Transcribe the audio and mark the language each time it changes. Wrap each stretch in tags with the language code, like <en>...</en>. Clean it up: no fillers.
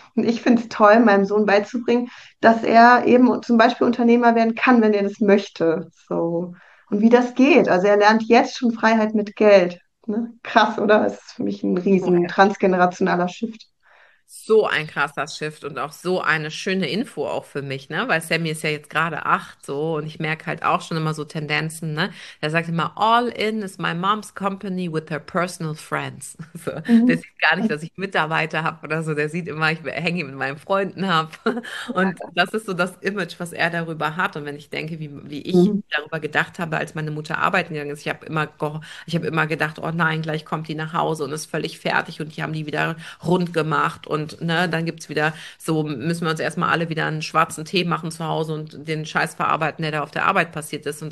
<de>Und ich finde es toll, meinem Sohn beizubringen, dass er eben zum Beispiel Unternehmer werden kann, wenn er das möchte. So. Und wie das geht. Also er lernt jetzt schon Freiheit mit Geld. Ne? Krass, oder? Das ist für mich ein riesen transgenerationaler Shift. So ein krasser Shift und auch so eine schöne Info auch für mich, ne? Weil Sammy ist ja jetzt gerade 8 so und ich merke halt auch schon immer so Tendenzen, ne? Er sagt immer,</de> <en>all in is my mom's company with her personal friends.</en> <de>So, der sieht gar nicht, dass ich Mitarbeiter habe oder so. Der sieht immer, ich hänge mit meinen Freunden ab. Und das ist so das Image, was er darüber hat. Und wenn ich denke, wie ich darüber gedacht habe, als meine Mutter arbeiten gegangen ist. Ich habe immer gedacht, oh nein, gleich kommt die nach Hause und ist völlig fertig und die haben die wieder rund gemacht und ne, dann gibt es wieder so, müssen wir uns erstmal alle wieder einen schwarzen Tee machen zu Hause und den Scheiß verarbeiten, der da auf der Arbeit passiert ist.</de>